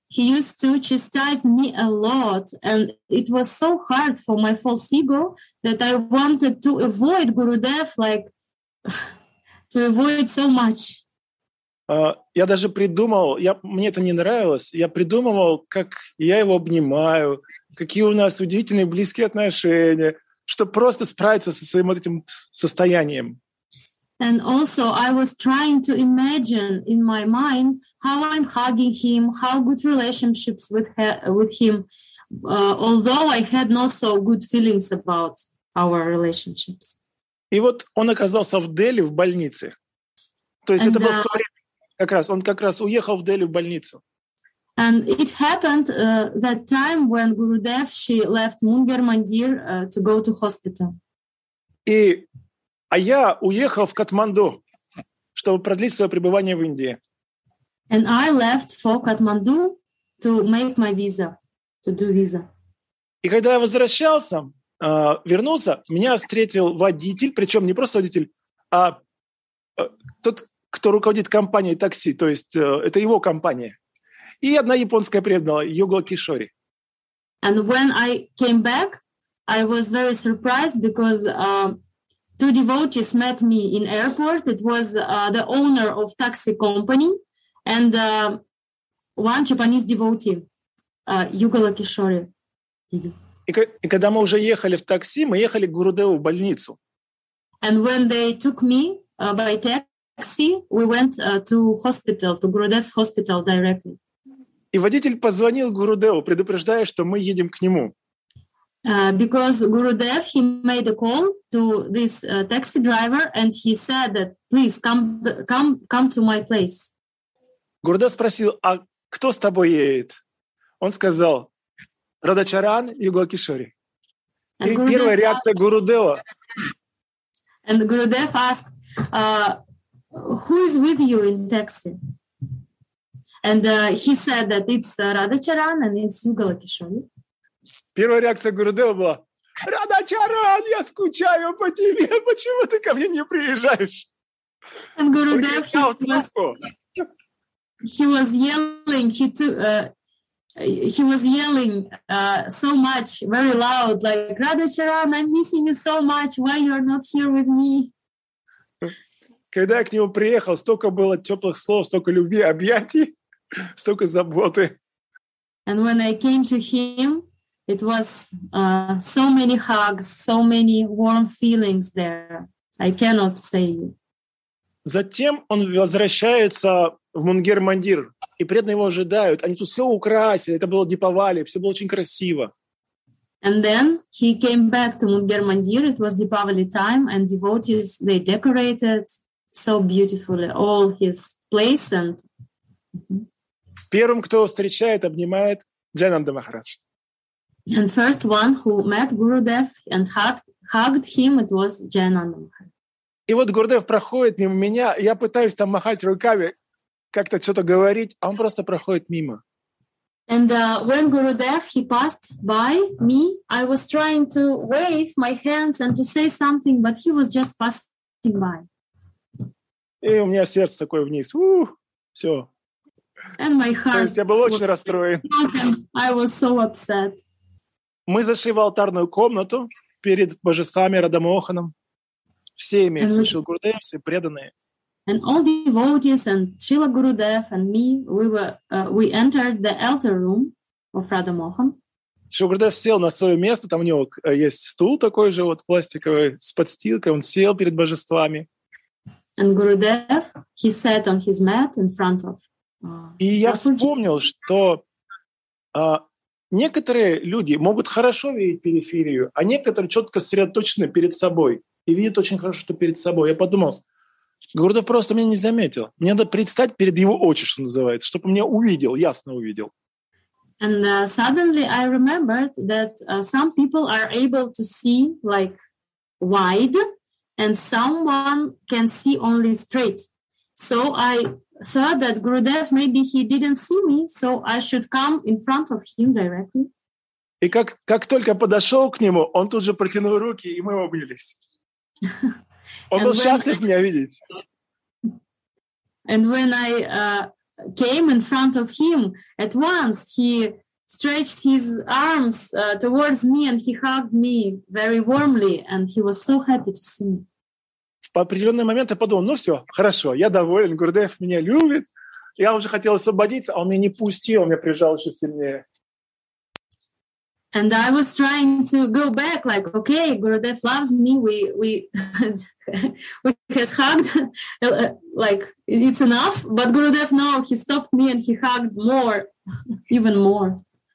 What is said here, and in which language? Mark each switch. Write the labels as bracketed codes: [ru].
[en] He used to chastise me a lot, and it was so hard for my false ego that I wanted to avoid Gurudev, like, to avoid so much. [ru] Я даже придумал, мне это не нравилось, я придумывал, как я его обнимаю, какие у нас удивительные близкие отношения, чтобы просто справиться со своим вот этим состоянием. [en] And also I was trying to imagine in my mind how I'm hugging him, how good relationships with him, although I had not so good feelings about our relationships. [ru] И вот он оказался в Дели, в больнице. То есть это было в то время, как раз, он как раз уехал в Дели в больницу. [en] And it happened that time when Gurudev, she left Munger Mandir to go to hospital. [ru] И... А я уехал в Катманду, чтобы продлить свое пребывание в Индии. [en] And I left for Kathmandu to make my visa, to do visa. [ru] И когда я возвращался, вернулся, меня встретил водитель, причем не просто водитель, а тот, кто руководит компанией такси, то есть это его компания. И одна японская преданная, Юго Кишори. [en] And when I came back, I was very surprised because two devotees met me in airport. It was the owner of taxi company and one Japanese devotee, Yuga Lakishori. [ru] И когда мы уже ехали в такси, мы ехали к Гурудеву в больницу. [en] And when they took me by taxi, we went to hospital, to Gurudev's hospital directly. [ru] И водитель позвонил Гурудеву, предупреждая, что мы едем к нему. [en] Because Gurudev, he made a call to this taxi driver and he said that, please, come to my place. [ru] Gurudev спросил, а кто с тобой едет? Он сказал, Радачаран Юго Кишори. И Gurudev первая реакция Гурудева. [en] And Gurudev asked, who is with you in taxi? And he said that it's Радачаран and it's Юго Кишори. [ru] Первая реакция Гурудева была: «Радачаран, я скучаю по тебе, почему ты ко мне не приезжаешь?» [en] And Gurudev, he was yelling so much, very loud, like, «Радачаран, I'm missing you so much, why you're not here with me?» [ru] Когда я к нему приехал, столько было теплых слов, столько любви, объятий, столько заботы. [en] And when I came to him, it was so many hugs, so many warm feelings there. I cannot say. [ru] Затем он возвращается в Мунгер-Мандир, и преданные его ожидают. Они тут все украсили, это было Дипавали, все было очень красиво. [en] And then he came back to Мунгер-Мандир. It was Dipavali time, and devotees, they decorated so beautifully all his place. And [ru] первым, кто встречает, обнимает Джайнанда Махарадж. [en] And first one who met Gurudev and hugged him, it was Jayananda Maharaj. [ru] И вот Гурудев проходит мимо меня, я пытаюсь там махать руками, как-то что-то говорить, а он просто проходит мимо. [en] And when Gurudev, he passed by me, I was trying to wave my hands and to say something, but he was just passing by. [ru] И у меня сердце такое вниз. Ух, все. [en] And my heart. [ru] То есть я был очень расстроен. [en] I was so upset. [ru] Мы зашли в алтарную комнату перед божествами Радамоханом. Все имеются, Шрила Гурудев, все преданные. [en] And all the devotees and Shrila Gurudev and me, we entered the altar room of Radamohan. [ru] Шрила Гурудев сел на свое место, там у него есть стул такой же вот пластиковый с подстилкой, он сел перед божествами. [en] And Gurudev, he sat on his mat in front of. [ru] И я вспомнил, что некоторые люди могут хорошо видеть периферию, а некоторые четко сосредоточены перед собой и видят очень хорошо, что перед собой. Я подумал, Гурудев просто меня не заметил. Мне надо предстать перед его очи, что называется, чтобы меня увидел, ясно увидел. [en] And suddenly I remembered that some people are able to see like wide and someone can see only straight. So I thought that Gurudev, maybe he didn't see me, so I should come in front of him directly. [ru] И как только подошел к нему, он тут же протянул руки, и мы обнялись. Он был счастлив меня видеть. [en] And when I came in front of him. At once, he stretched his arms towards me and he hugged me very warmly, and he was so happy to see me. [ru] В определенный момент я подумал, ну все, хорошо, я доволен, Гурдев меня любит. Я уже хотел освободиться, а он меня не пустил, он меня прижал еще сильнее. [en] And I was trying to go back, like, okay, Gurudev loves me, we has hugged, like, it's enough. But Gurudev, no, he stopped me and he hugged more, even more.